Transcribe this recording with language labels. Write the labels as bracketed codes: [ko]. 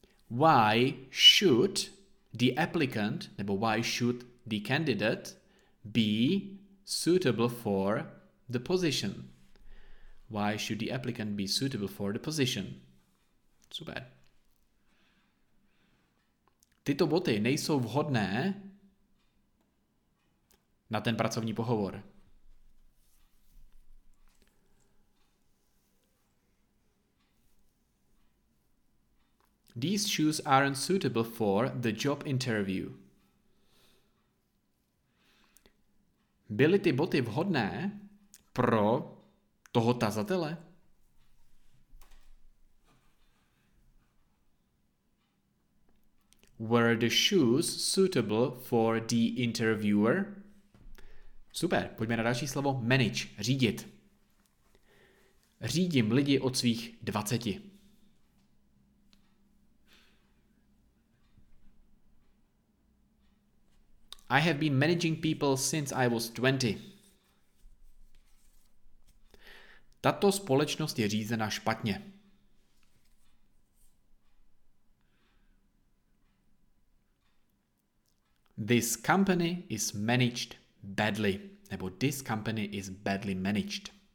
[en] Why should the applicant, [cs] nebo [en] why should the candidate be suitable for the position? Why should the applicant be suitable for the position? [cs] Super. Tyto boty nejsou vhodné na ten pracovní pohovor. [en] These shoes aren't suitable for the job interview. [cs] Byly ty boty vhodné pro toho tazatele? [en] Were the shoes suitable for the interviewer? [cs] Super, pojďme na další slovo. Manage, řídit. Řídím lidi od svých 20. [en] I have been managing people since I was 20. [cs] Tato společnost je řízena špatně. [en] This company is managed badly. [cs] Nebo [en] this company is badly managed.